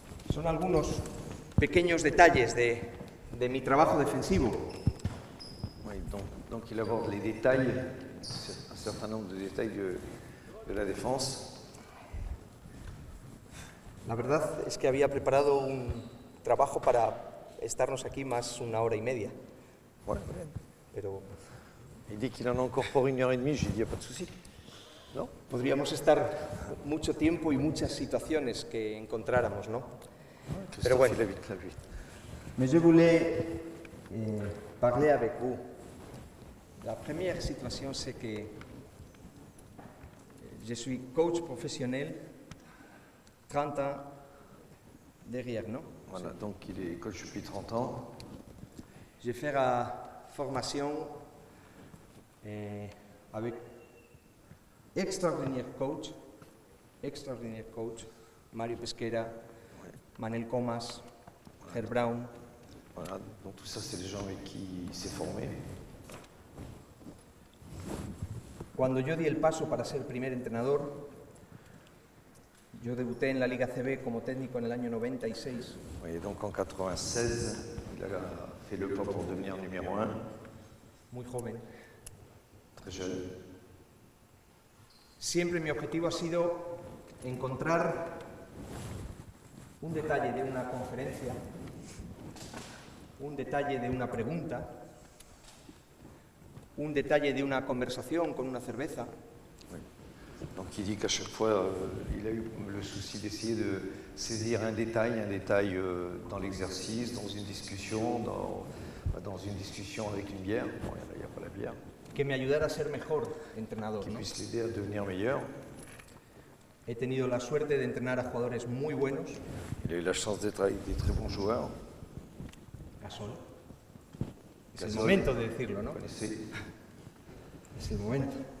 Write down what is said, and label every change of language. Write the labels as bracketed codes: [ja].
[es] Son algunos pequeños detalles de mi trabajo defensivo. [fr] Oui, donc il aborde les détails, un certain nombre de détails de la défense. [es] La verdad es que había preparado un trabajo para estarnos aquí más una hora y media. Bueno, pero... [fr] Il dit qu'il en a encore pour une heure et demie, j'ai dit, pas de souci. [es] ¿No? Podríamos estar mucho tiempo y muchas situaciones que encontráramos, ¿no? [fr] Ouais, [es] pero bueno. [fr] Vite, la vite. Mais je voulais parler avec vous. La première situation, c'est que je suis coach professionnel 30 ans derrière, non? Voilà, donc il est coach depuis 30 ans. J'ai fait la formation avec extraordinaire coach Mario Pesquera, ouais. Manel Comas, voilà. Herb Brown. Voilà, donc tout ça, c'est les gens avec qui il s'est formé. [es] Cuando yo di el paso para ser primer entrenador, yo debuté en la Liga CB como técnico en el año 96. [fr] Oui, donc en 96, il a fait le pas pour devenir numéro 1. [es] Muy joven. [fr] Très jeune. [es] Siempre mi objetivo ha sido encontrar un detalle de una conferencia, un detalle de una pregunta, un detalle de una conversación con una cerveza. [fr] Donc il dit qu'à chaque fois, il a eu le souci d'essayer de saisir un détail dans l'exercice, dans une discussion avec une bière. Bon, il n'y a pas la bière. [es] Que me ayudara a ser mejor entrenador. [fr] Qui puisse l'aider à devenir meilleur. [es] He tenido la suerte de entrenar a jugadores muy buenos. [fr] Il a eu la chance d'être avec des très bons joueurs. [es] Gasol. Es el momento de decirlo, ¿no? Es el momento.